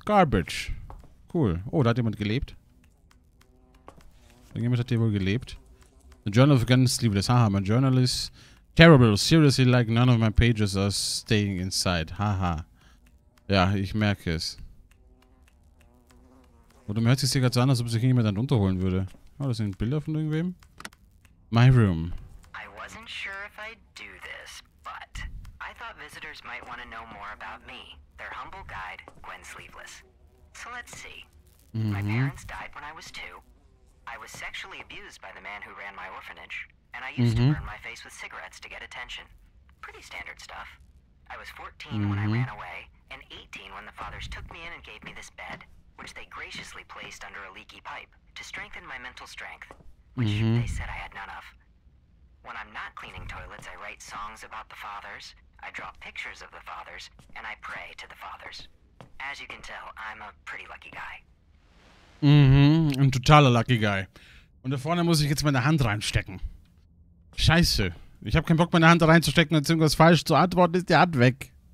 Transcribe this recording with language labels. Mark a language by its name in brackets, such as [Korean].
[German] Garbage. Cool. Oh, da hat jemand gelebt. Irgendjemand hat hier wohl gelebt. [English] The Journal of Guns Sleeveless. Haha, my journal is terrible. Seriously, like none of my pages are staying inside. Haha. [German] Ja, ich merke es. Oder mir hört sich hier gerade so an, als ob sich jemand dann unterholen würde. Oh, das sind Bilder von irgendwem. [English] My room. I wasn't sure if I'd do this, but I thought visitors might want to know more about me. Their humble guide, Gwen Sleeveless. So let's see. My parents died when I was two. I was sexually abused by the man who ran my orphanage. And I used to burn my face with cigarettes to get attention. Pretty standard stuff. I was 14 when I ran away, and 18 when the fathers took me in and gave me this bed, which they graciously placed under a leaky pipe to strengthen my mental strength, which they said I had none of. When I'm not cleaning toilets, I write songs about the fathers, I draw pictures of the fathers, and I pray to the fathers. As you can tell, I'm a pretty lucky guy. [German] Ein totaler [English] lucky guy. [German] Und da vorne muss ich jetzt meine Hand reinstecken. Scheiße. Ich habe keinen Bock, meine Hand da reinzustecken, wenn irgendwas falsch zu antworten ist, die Hand weg.